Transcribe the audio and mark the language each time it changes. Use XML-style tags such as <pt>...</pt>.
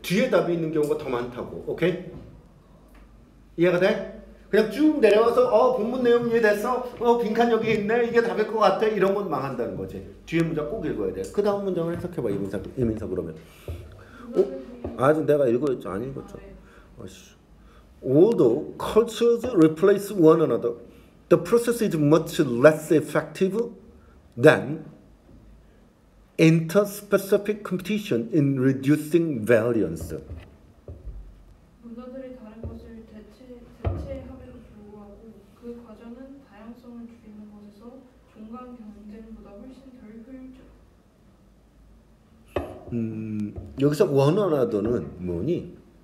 <ko>뒤에 답이 있는 경우가 더 많다고. 오케이? 이해가 돼? 그냥 쭉 내려와서 본문 내용 이해됐어? 빈칸 여기 있네? 이게 답일 것 같아? 이런 건 망한다는 거지. 뒤에 문장 꼭 읽어야 돼. 그 다음 문장을 해석해봐, 이민사 그러면. 어? 아직 내가 읽었죠? 안 읽었죠?</ko> <en>although cultures replace one another, the process is much less effective than interspecific competition in reducing variance.</en> <ko>문화들이 다른 것을 대체하면서 불구하고 그 과정은 다양성을 줄이는 것에서 종간 경쟁보다 훨씬 덜 효율적. 여기서</ko> <en>one another</en> <ko>는 뭐니?</ko>